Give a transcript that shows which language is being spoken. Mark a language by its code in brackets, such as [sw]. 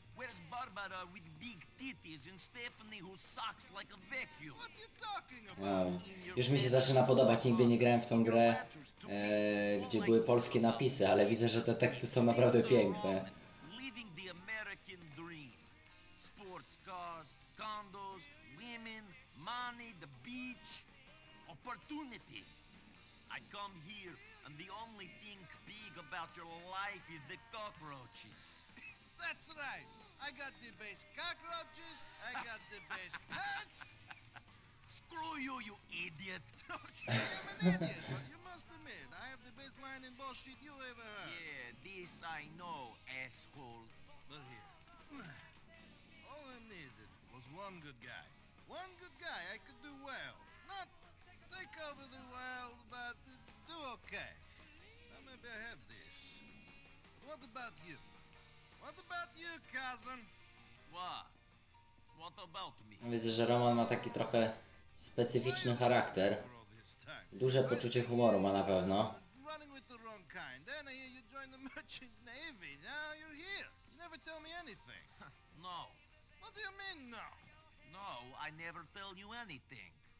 [en] Where's Barbara with big titties and Stephanie who sucks like a vacuum? What you talking about? [pl] Już mi się zaczyna podobać, nigdy nie grałem w tą grę, gdzie były polskie napisy, ale widzę, że te teksty są naprawdę piękne. [en] Living the American dream. Sports cars, condos, women, money, the beach, opportunity. I come here. And the only thing big about your life is the cockroaches. That's right. I got the best cockroaches. I got the best pets. Screw you, you idiot. Okay, I'm an idiot, but you must admit, I have the best line in bullshit you ever heard. Yeah, this I know, asshole. But here. All I needed was one good guy. One good guy I could do well. Not take over the world, but... do okay. Now maybe I have this. What about you? What about you, cousin? What about me? [pl] Widzę, że Roman ma taki trochę specyficzny charakter. Duże poczucie humoru ma na pewno. [en] Running with the wrong kind. Then I hear you joined the merchant navy. Now you're here. You never tell me anything. No. What do you mean, no? No, I never tell you anything.